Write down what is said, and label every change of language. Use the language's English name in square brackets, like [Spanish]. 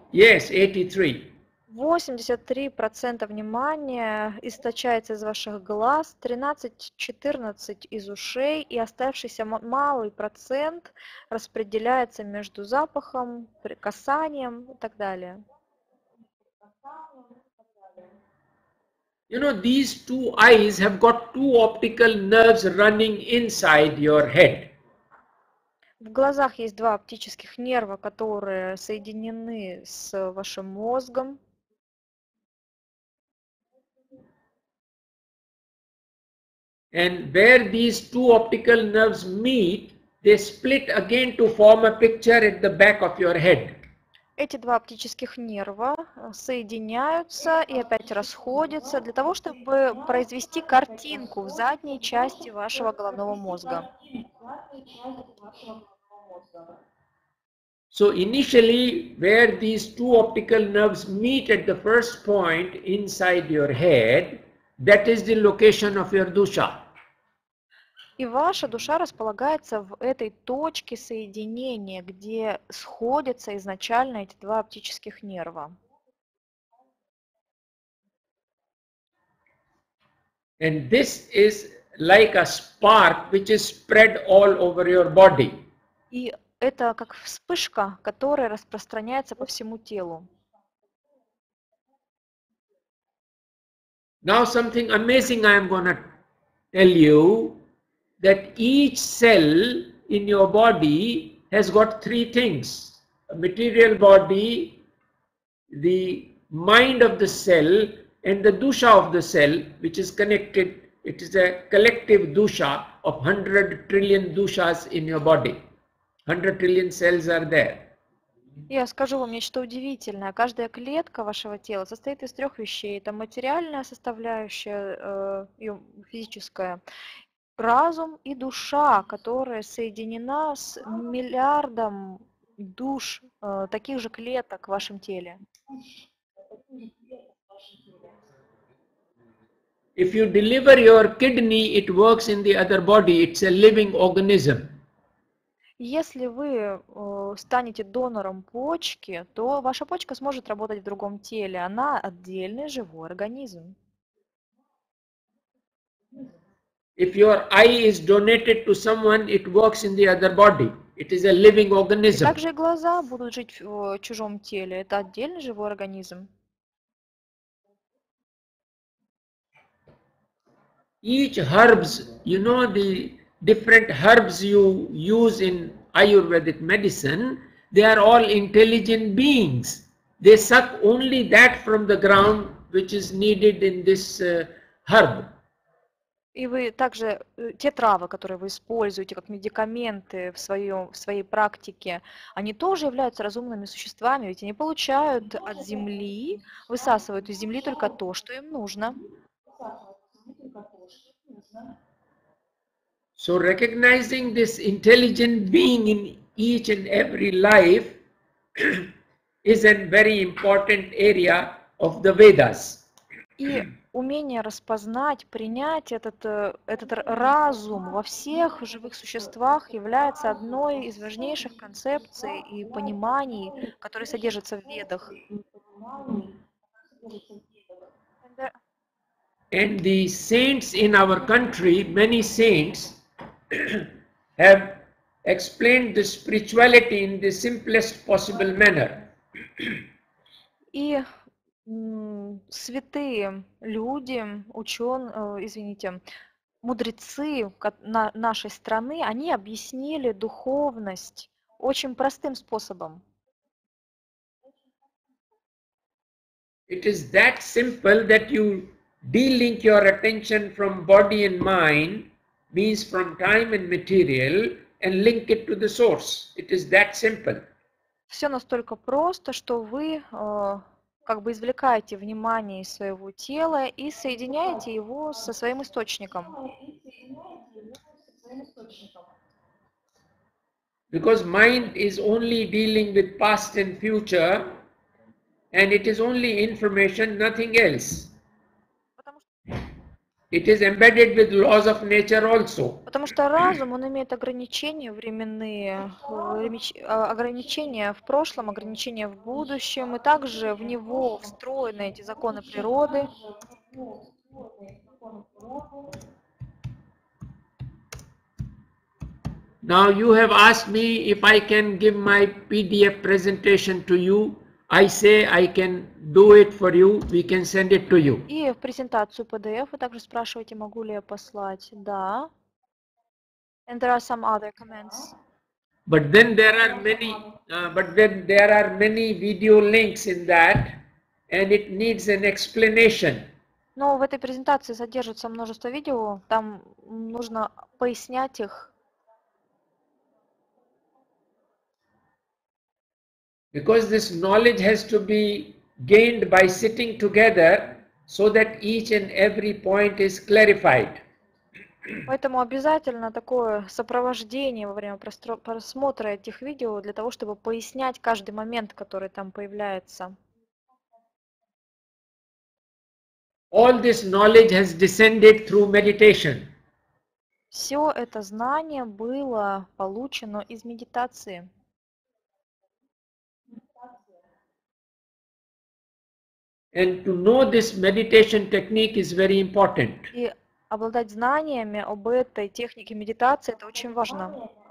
[Russian] 83% внимания источается из ваших глаз, 13-14 из ушей, и оставшийся малый процент распределяется между запахом, касанием и так далее. [English] You know, these two eyes have got two optical nerves running inside your head. [Russian] В глазах есть два оптических нерва, которые соединены с вашим мозгом. [English] And where these two optical nerves meet, they split again to form a picture at the back of your head. [Russian] Эти два оптических нерва соединяются и опять расходятся для того, чтобы произвести картинку в задней части вашего головного мозга. [English] So initially, where these two optical nerves meet at the first point inside your head, that is the location of your dusha. [Russian] И ваша душа располагается в этой точке соединения, где сходятся изначально эти два оптических нерва. [English] And this is like a spark, which is spread all over your body. [Russian] И это как вспышка, которая распространяется по всему телу. [English] Now something amazing I am going to tell you. That each cell in your body has got three things: a material body, the mind of the cell, and the dusha of the cell, which is connected. It is a collective dusha of 100 trillion dushas in your body. 100 trillion cells are there. [Russian] Я скажу вам нечто удивительное. Каждая клетка вашего тела состоит из трех вещей: это материальная составляющая, физическая. Разум и душа, которая соединена с миллиардом душ, таких же клеток в вашем теле. [English] If you deliver your kidney, it works in the other body. It's a living organism. [Russian] Если вы станете донором почки, то ваша почка сможет работать в другом теле. Она отдельный живой организм. [English] If your eye is donated to someone, it works in the other body. It is a living organism. [Russian] Также глаза будут жить в чужом теле. Это отдельный живой организм. [English] Each herbs, you know, the different herbs you use in Ayurvedic medicine, they are all intelligent beings. They suck only that from the ground which is needed in this herb. [Russian] И вы также, те травы, которые вы используете как медикаменты в своей практике, они тоже являются разумными существами, ведь они получают от земли, высасывают из земли только то, что им нужно. [English] So recognizing this intelligent being in each and every life is a very important area of the Vedas. [Russian] Умение распознать, принять этот разум во всех живых существах является одной из важнейших концепций и пониманий, которые содержатся в ведах. [English] And the saints in our country, many saints have explained the spirituality in the simplest possible manner. [Russian] И святые люди, ученые, извините, мудрецы нашей страны, они объяснили духовность очень простым способом. [English] It is that simple that you de-link your attention from body and mind, means from time and material, and link it to the source. It is that simple. [Russian] Все настолько просто, что вы как бы извлекаете внимание из своего тела и соединяете его со своим источником. [English] Because mind is only dealing with past and future, and it is only information, nothing else. It is embedded with laws of nature also. [Russian] Потому что разум, он имеет ограничения временные, ограничения в прошлом, ограничения в будущем, и также в него встроены эти законы природы. [English] Now you have asked me if I can give my PDF presentation to you. I say I can do it for you, we can send it to you. [Russian] И в презентацию PDF вы также спрашиваете, могу ли я послать. Да. [English] And there are some other comments. But then there are many, video links in that, and it needs an explanation. [Russian] Но в этой презентации содержится множество видео, там нужно пояснять их. [English] Because this knowledge has to be gained by sitting together so that each and every point is clarified. [Russian] Поэтому обязательно такое сопровождение во время просмотра этих видео для того, чтобы пояснять каждый момент, который там появляется. [English] All this knowledge has descended through meditation. [Russian] Все это знание было получено из медитации. [English] And to know this meditation technique is very important. [Russian] И обладать знаниями об этой технике медитации это очень важно.